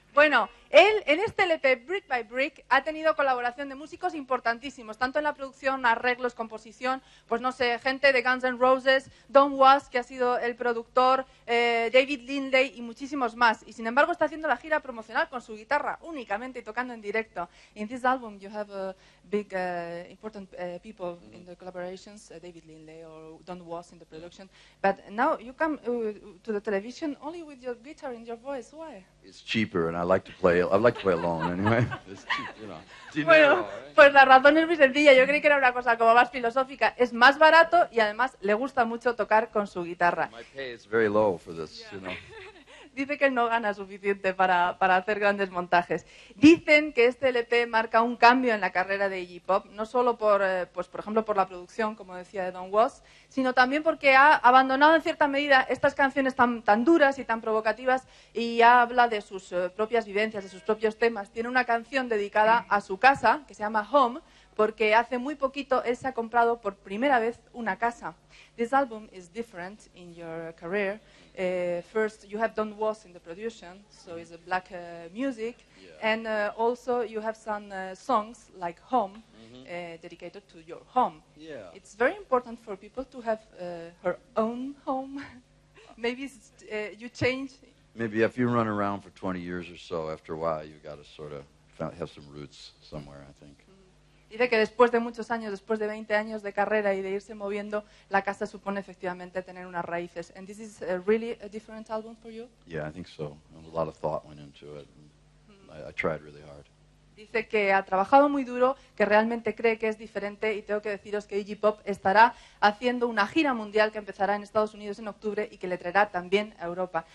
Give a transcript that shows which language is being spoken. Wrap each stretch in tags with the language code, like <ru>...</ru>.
<es>Bueno, él en este LP, Brick by Brick, ha tenido colaboración de músicos importantísimos, tanto en la producción, arreglos, composición, pues no sé, gente de Guns N' Roses, Don Was, que ha sido el productor, David Lindley y muchísimos más. Y sin embargo, está haciendo la gira promocional con su guitarra, únicamente y tocando en directo.</es> <en>In this album, you have big, important people in the collaborations, David Lindley or Don Was in the production. But now you come to the television only with your guitar and your voice. Why? It's cheaper and I like to play. I like to play alone anyway. It's cheap, you know.</en> <es>Bueno, pues la razón es muy sencilla. Yo creí que era una cosa como más filosófica. Es más barato y además le gusta mucho tocar con su guitarra.</es> <en>My pay is very low for this, yeah. You know.</en> <es>Dice que él no gana suficiente para hacer grandes montajes. Dicen que este LP marca un cambio en la carrera de IGGY POP, no solo por ejemplo por la producción, como decía, de Don Was, sino también porque ha abandonado en cierta medida estas canciones tan duras y tan provocativas y habla de sus propias vivencias, de sus propios temas. Tiene una canción dedicada a su casa, que se llama Home, porque hace muy poquito él se ha comprado por primera vez una casa.</es> <en>This album is different in your career. First, you have done was in the production, so it's a black music. Yeah. And also, you have some songs like Home, mm-hmm. Dedicated to your home. Yeah. It's very important for people to have her own home. Maybe it's, you change. Maybe if you run around for 20 years or so, after a while, you've got to sort of have some roots somewhere, I think.</en> <es>Dice que después de muchos años, después de 20 años de carrera y de irse moviendo, la casa supone efectivamente tener unas raíces.</es> <en>And this is a really a different album for you? Yeah, I think so. A lot of thought went into it. I tried really hard.</en> <es>Dice que ha trabajado muy duro, que realmente cree que es diferente, y tengo que deciros que Iggy Pop estará haciendo una gira mundial que empezará en Estados Unidos en octubre y que le traerá también a Europa.</es>